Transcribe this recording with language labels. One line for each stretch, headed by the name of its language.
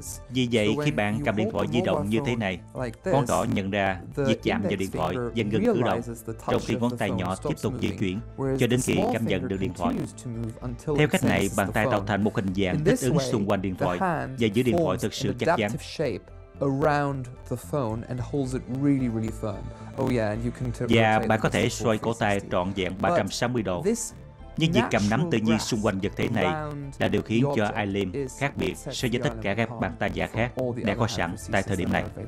Vietnamese: Vì vậy, khi bạn cầm điện thoại di động như thế này, ngón trỏ nhận ra việc chạm vào điện thoại và ngừng cử động, trong khi ngón tay nhỏ tiếp tục di chuyển cho đến khi cảm nhận được điện thoại. Theo cách này, bàn tay tạo thành một hình dạng thích ứng xung quanh điện thoại và giữ điện thoại thực sự chắc chắn.
English: Around the phone and holds it really, really firm. Oh yeah, and you can rotate.
Vietnamese: Yeah, bạn có thể xoay cổ tay trọn vẹn 360 độ. Nhưng việc cầm nắm tự nhiên xung quanh vật thể này là điều khiến cho Ilim khác biệt so với tất cả các bàn tay giả khác đã có sẵn tại thời điểm này.